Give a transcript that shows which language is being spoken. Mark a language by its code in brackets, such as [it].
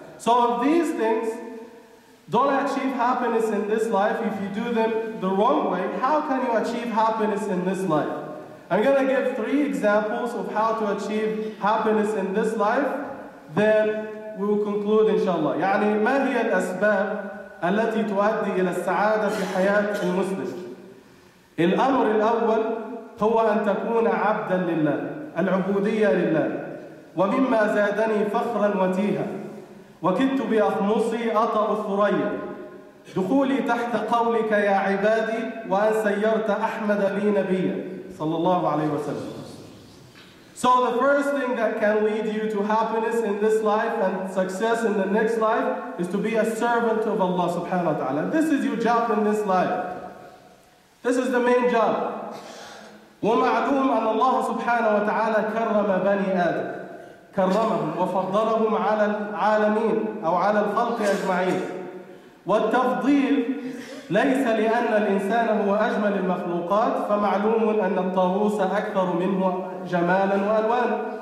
[en] So if these things don't achieve happiness in this life, if you do them the wrong way, how can you achieve happiness in this life? I'm going to give three examples of how to achieve happiness in this life, then we will conclude inshallah. [ar] يعني ما هي الأسباب التي تؤدي إلى السعادة في حياة المسلم؟ الأمر الأول هو أن تكون عبدا لله، العبودية لله. ومما زادني فخرا وتيها، وكدت بأخمصي أطأ الثريا، دخولي تحت قولك يا عبادي، وأن سيرت أحمد لي نبيا. صلى الله عليه وسلم. [en] So the first thing that can lead you to happiness in this life and success in the next life is to be a servant of Allah subhanahu wa ta'ala. This is your job in this life. This is the main job. [ar] ومعلوم أن الله سبحانه وتعالى كرم بني آدم كرمهم وفضلهم على العالمين أو على الخلق أجمعين. والتفضيل ليس لأن الإنسان هو أجمل المخلوقات، فمعلوم أن الطاووس أكثر منه جمالا وألوانا.